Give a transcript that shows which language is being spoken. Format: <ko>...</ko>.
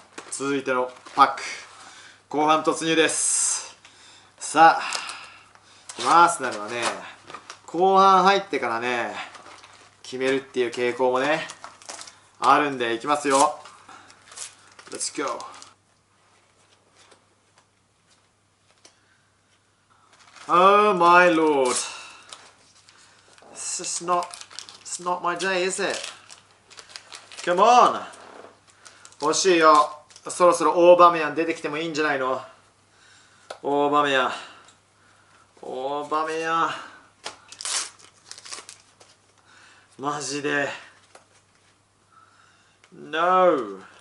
<ja>続いてのパック後半突入です。さあアーセナルはね後半入ってからね決めるっていう傾向もねあるんで、いきますよ、</ja> <en>Let's go。 Oh my lord, it's not my day, is it? Come on,</en> <ja>欲しいよ。そろそろオーバメヤン出てきてもいいんじゃないの？オーバメヤン、オーバメヤン、マジで、</ja> <en>No。</en>